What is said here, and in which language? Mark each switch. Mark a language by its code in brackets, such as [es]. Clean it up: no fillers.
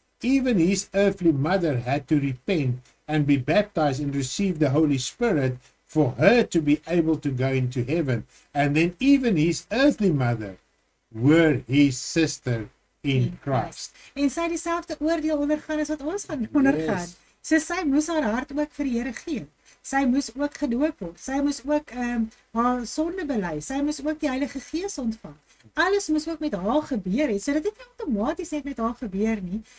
[en] Even his earthly mother had to repent and be baptized and receive the Holy Spirit for her to be able to go into heaven. And then even his earthly mother were his sister in Christ. [af] En sy dieselfde oordeel ondergaan as wat ons gaan ondergaan. So sy moes haar hart ook vir die Here gee. Sy moes ook gedoop word. Sy moes ook haar sonde bely. Sy moes ook die Heilige Gees ontvang. Alles moes ook met haar gebeur het. So dit het nie outomaties net met haar gebeur nie.